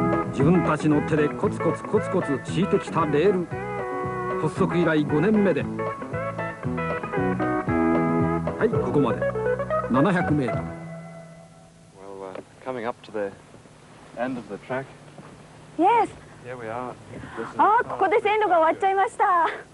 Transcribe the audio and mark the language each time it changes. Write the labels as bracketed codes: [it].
[ja] 自分たちの手でコツコツコツコツ敷いてきたレール、発足以来5年目で、はい、ここまで700メートル。 [en] Well, coming up to the end of the track. Yes. Here we are. [ja] ああ、ここで線路が終わっちゃいました。